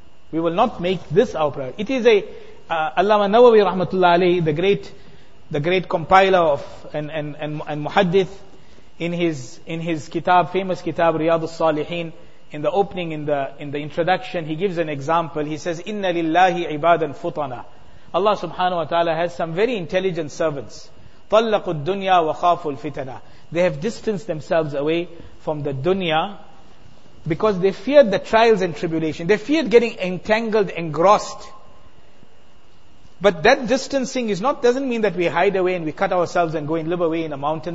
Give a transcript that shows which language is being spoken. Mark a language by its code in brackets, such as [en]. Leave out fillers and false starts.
[en] We will not make this our priority. It is Allama Nawawi rahmatullah alayhi, the great compiler of and muhaddith, in his kitab, famous kitab Riyadus Salihin, in the opening, in the introduction, he gives an example. He says, [ar] "Inna lillahi ibadan futana." [en] Allah subhanahu wa ta'ala has some very intelligent servants. [ar] طلقوا الدنيا وخافوا الفتنة. [en] They have distanced themselves away from the dunya because they feared the trials and tribulation. They feared getting entangled, engrossed. But that distancing doesn't mean that we hide away and we cut ourselves and go and live away in a mountain.